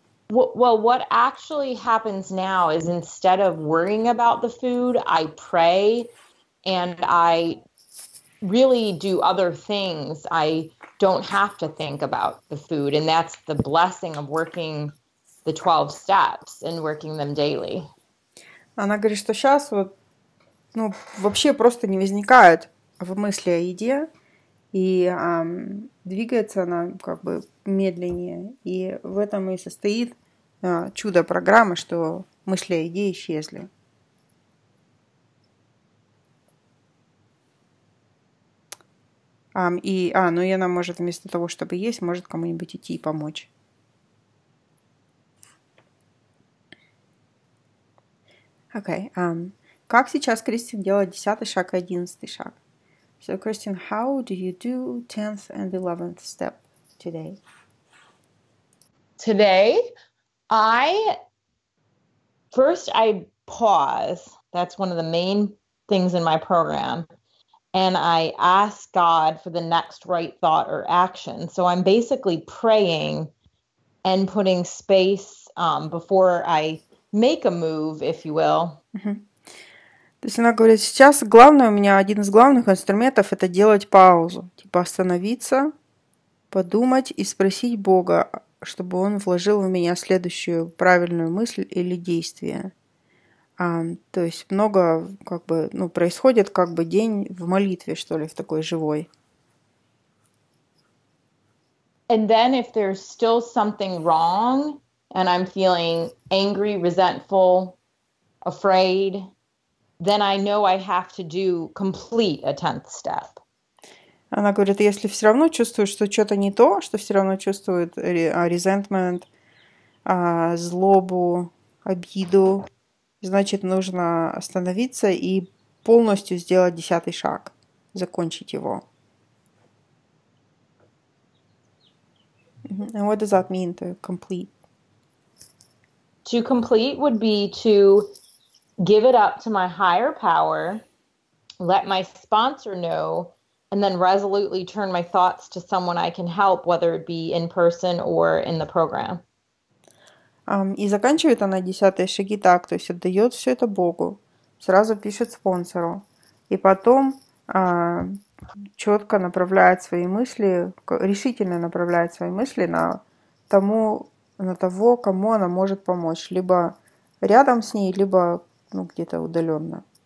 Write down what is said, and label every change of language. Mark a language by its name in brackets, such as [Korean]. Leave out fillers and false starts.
[English] Well, what actually happens now is instead of worrying about the food, I pray and I really do other things. I don't have to think about the food, and that's the blessing of working the 12 steps and working them daily. [Russian] Она говорит, что сейчас вот, ну, вообще просто не возникает в мысли о еде, и двигается она как бы медленнее, и в этом и состоит чудо программы, что мысли о еде исчезли. Ну и она может вместо того, чтобы есть, может кому-нибудь идти и помочь. [English] Okay. [Russian] Как сейчас Кристин делает 10-й шаг и 11-й шаг? [English] So, Кристин, how do you do 10th and 11th step today? Today, I pause. That's one of the main things in my program. And I ask God for the next right thought or action. So I'm basically praying and putting space before I make a move, if you will. [Russian] То есть она говорит, сейчас главное, у меня один из главных инструментов – это делать паузу. Типа остановиться, подумать и спросить Бога, чтобы он вложил в меня следующую правильную мысль или действие. То есть много как бы, ну, происходит как бы день в молитве, что ли, в такой живой. [English] And then if there's still something wrong and I'm feeling angry, resentful, afraid, then I know I have to do complete a tenth step. [Russian] Она говорит, если все равно чувствует, что что-то не то, что все равно чувствует resentment, злобу, обиду, значит, нужно остановиться и полностью сделать 10-й шаг, закончить его. [English] And what does that mean, to complete? To complete would be to give it up to my higher power, let my sponsor know, and then resolutely turn my thoughts to someone I can help, whether it be in person or in the program. [Russian] И заканчивает она 10-е шаги так, то есть отдает все это Богу, сразу пишет спонсору, и потом четко направляет свои мысли, решительно направляет свои мысли на того, кому она может помочь, либо рядом с ней, либо ну, где-то удаленно.